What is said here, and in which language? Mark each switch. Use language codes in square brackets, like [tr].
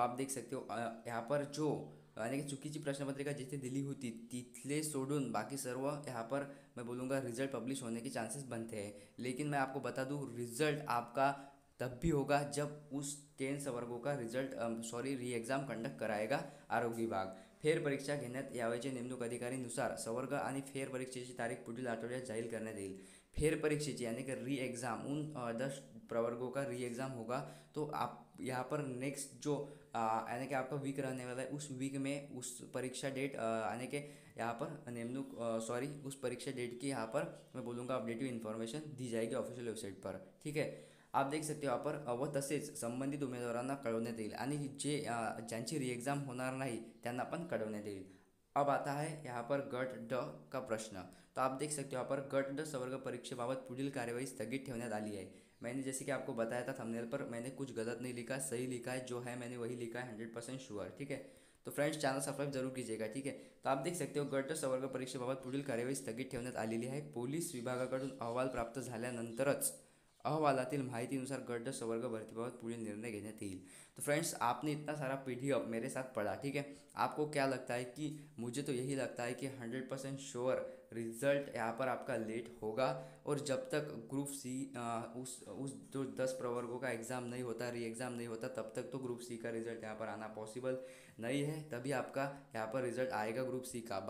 [hi] तो आप देख सकते हो यहाँ पर जो यानी कि [mr] चुकीची प्रश्नपत्रिका जिथे दिली होती तिथले सोडून बाकी सर्व [hi] यहाँ पर मैं बोलूँगा रिजल्ट पब्लिश होने के चांसेस बनते हैं। लेकिन मैं आपको बता दूँ, रिजल्ट आपका तब भी होगा जब उस 10 सवर्गों का रिजल्ट री एग्जाम कंडक्ट कराएगा आरोग्य विभाग। [mr] फेर परीक्षा घेण्यात यावयाच्या नेमणूक अधिकारीनुसार सवर्ग आणि फेर परीक्षेची तारीख पुढील आठवड्यात जाहीर करण्यात येईल। [hi] फेर परीक्षेची यानी की री एग्जाम उन 10 प्रवर्गों का री एग्जाम होगा, तो आप यहाँ पर नेक्स्ट जो यानी कि आपका वीक रहने वाला है, उस वीक में उस परीक्षा डेट यानी कि यहाँ पर नेमनु सॉरी उस परीक्षा डेट की यहाँ पर मैं बोलूँगा अपडेटिव इन्फॉर्मेशन दी जाएगी ऑफिशियल वेबसाइट पर, ठीक है। आप देख सकते हो यहाँ पर [mr] व तसेच संबंधित उमेदवारांना कळवण्यात येईल आणि जे ज्यांची रीएक्झाम होणार नाही त्यांना पण कळवण्यात येईल। [hi] अब आता है यहाँ पर [mr] गट ड का प्रश्न, तो आप देख सकते हो यहाँ पर गट ड संवर्ग परीक्षेबाबत पुढील कार्यवाही स्थगित ठेवण्यात आली [hi] है। मैंने जैसे कि आपको बताया था थंबनेल पर, मैंने कुछ गलत नहीं लिखा, सही लिखा है, जो है मैंने वही लिखा है 100% श्योर, ठीक है। तो फ्रेंड्स चैनल सब्सक्राइब जरूर कीजिएगा, ठीक है। तो आप देख सकते हो [mr] गट संवर्ग परीक्षेबाबत पुढील कार्यवाही स्थगित ठेवण्यात आलेली आहे। पोलीस विभागाकडून अहवाल प्राप्त झाल्यानंतरच अहवालातील माहितीनुसार गट संवर्ग भरतीबाबत पुढील निर्णय घेण्यात येईल। [hi] तो फ्रेंड्स आपने इतना सारा PDF मेरे साथ पढ़ा, ठीक है। आपको क्या लगता है कि मुझे तो यही लगता है कि 100% श्योर रिजल्ट यहाँ पर आपका लेट होगा, और जब तक ग्रुप सी उस जो 10 प्रवर्गों का एग्ज़ाम नहीं होता, री एग्ज़ाम नहीं होता, तब तक तो ग्रुप सी का रिजल्ट यहाँ पर आना पॉसिबल नहीं है, तभी आपका यहाँ पर रिजल्ट आएगा ग्रुप सी का।